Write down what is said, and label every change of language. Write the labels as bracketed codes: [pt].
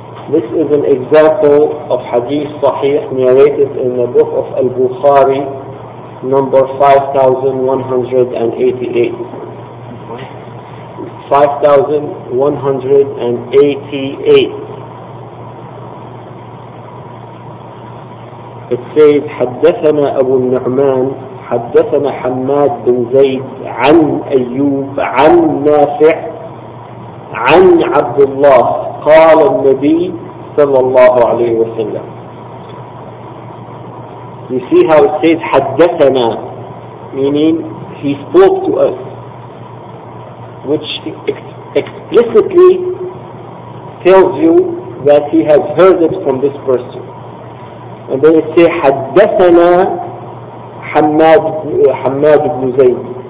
[en] This is an example of hadith sahih narrated in the book of Al-Bukhari, number 5188. It says, [ar] حدثنا أبو النعمان حدثنا حماد بن زيد عن أيوب عن نافع عن عبد الله قال النبي صلى الله عليه وسلم. [en] You see how it says حدثنا, meaning he spoke to us, which explicitly tells you that he has heard it from this person. And then it says حدثنا حماد بن زيد.